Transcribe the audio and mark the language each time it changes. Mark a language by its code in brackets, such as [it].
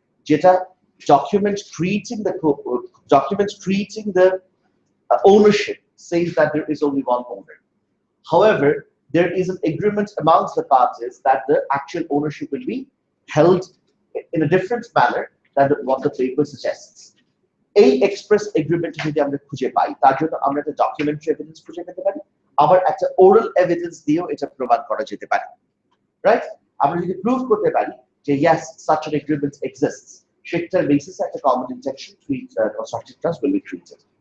[en] Jeta document creating the ownership says that there is only one owner. However, there is an agreement amongst the parties that the actual ownership will be held in a different manner than what the paper suggests. [bn] A express agreement যদি আমরা খুঁজে পাই, তার জন্য আমরা একটা documentary evidence খুঁজে পেতে পারি, আবার একটা oral evidence দিয়েও এটা প্রমাণ করা যেতে পারে. [en] Right? [bn] আমরা যদি prove করতে পারি যে yes, such an agreement exists, সেটার basis at a [en] common intention constructive trust will be treated.